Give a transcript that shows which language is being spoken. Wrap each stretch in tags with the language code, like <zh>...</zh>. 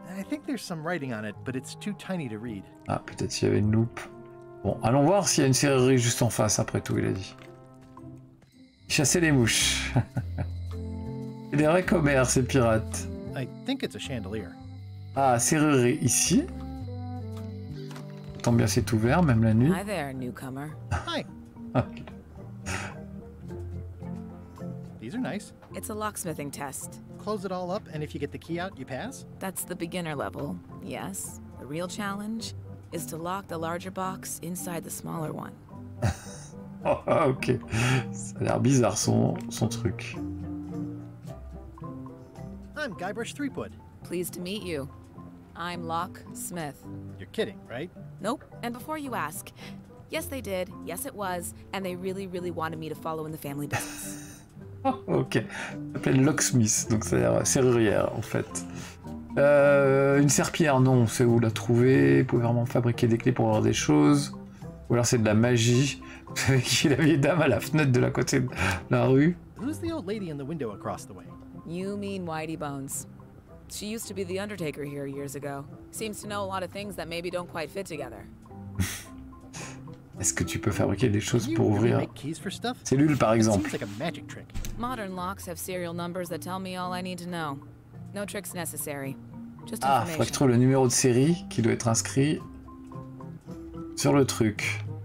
<en>I think there's some writing on it, but it's too tiny to read.</en> <fr>Ah, peut-être s'il y avait une loupe. Bon, allons voir s'il y a une serrurerie juste en face, après tout, il a dit. Chasser les mouches. C'est des vrais commères, ces pirates.</fr> <en>I think it's a chandelier.</en> <fr>Ah, serrurerie ici. Tant bien, c'est ouvert, même la nuit.</fr> <en>Hi there, newcomer. Hi. These are nice. It's a locksmithing test. Close it all up, and if you get the key out, you pass? That's the beginner level, yes. The real challenge? Is to lock the larger box inside the smaller one.</en> <fr>Oh, ok. Ça a l'air bizarre son truc.</fr> <en>I'm Guybrush Threepwood. Pleased to meet you. I'm Locke Smith. You're kidding, right? Nope. And before you ask, yes, they did. Yes, it was. And they really, really wanted me to follow in the family business. Oh, ok.</en> <fr>Elle s'appelle Locksmith, donc c'est-à-dire serrurière, en fait. Une serpillière, non, on sait où la trouver. Vous pouvez vraiment fabriquer des clés pour avoir des choses. Ou alors c'est de la magie. Vous savez qui est la vieille dame à la fenêtre de la côté de la rue?</fr> <en>Who's the old lady in the window across the way? You mean Whitey Bones. She used to be the undertaker here years ago. Seems to know a lot of things that maybe don't quite fit together.</en> <fr>Est-ce que tu peux fabriquer des choses pour ouvrir cellule, par exemple?</fr> <en>Modern locks have serial numbers that tell me all I need to know. No tricks necessary. Just information.</en> <fr>Ah, faut que je trouve le numéro de série qui doit être inscrit sur le truc.</fr>